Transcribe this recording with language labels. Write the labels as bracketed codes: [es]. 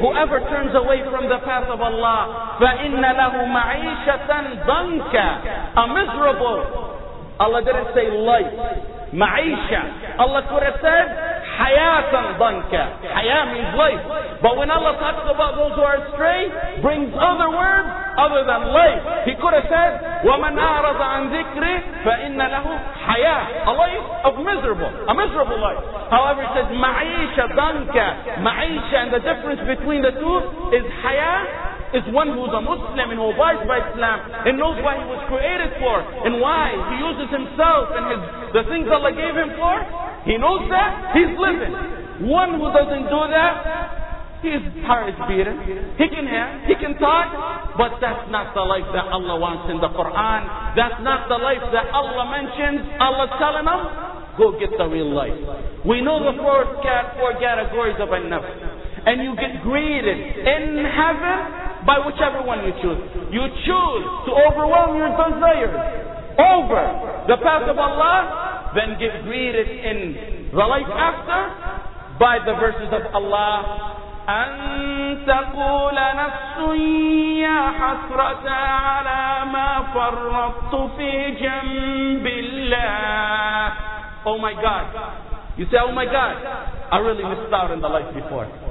[en] Whoever turns away from the path of Allah, [ar] فَإِنَّ لَهُ مَعِيشَةً ضَنْكَ. [en] A miserable. Allah didn't say life. Ma'isha. Allah could have said, Hayatan Banka. Hayat means life. But when Allah talks about those who are astray, brings other words other than life. He could have said, [ar] وَمَنْ أَعْرَضَ عَنْ ذِكْرِ فَإِنَّ لَهُ حَيَاةً. [en] A life of miserable. A miserable life. However, he says, Ma'isha Banka. Ma'isha. And the difference between the two is Hayat is one who is a Muslim and who abides by Islam and knows why he was created for and why he uses himself and his, the things Allah gave him for. He knows that, he's living. One who doesn't do that, his heart is beating. He can hear, he can talk, but that's not the life that Allah wants in the Quran. That's not the life that Allah mentions. Allah telling him, go get the real life. We know the four categories of an-nafs. And you get greeted in heaven by whichever one you choose. You choose to overwhelm your desires over the path of Allah, then get greeted in the life after by the verses of Allah. [ar] أن تقول نفس يا حسرة على ما فرطت في جنب الله. [en] Oh my God. You say, oh my God, I really missed out in the life before.